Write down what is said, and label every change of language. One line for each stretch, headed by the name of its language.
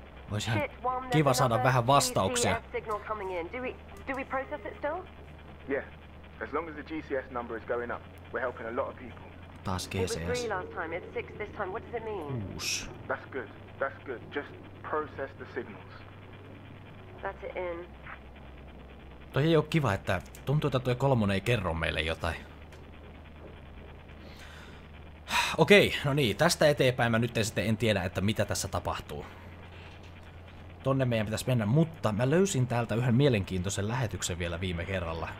Finnish: Voisihan kiva saada vähän vastauksia.
English: Do we process it still? Yeah. As long as the GCS number is going up, we're helping a lot of people.
Finnish: Taas GCS.
English: It was 3 last time, it's 6 this time. What does it mean? Oosh. That's good. Just process the signals. That's it in.
Finnish: Toi ei oo kiva, että tuntuu, että toi kolmonen ei kerro meille jotain. Okei, no niin, tästä eteenpäin mä nyt en tiedä, että mitä tässä tapahtuu. Tonne meidän pitäisi mennä, mutta mä löysin täältä yhden mielenkiintoisen lähetyksen vielä viime kerralla.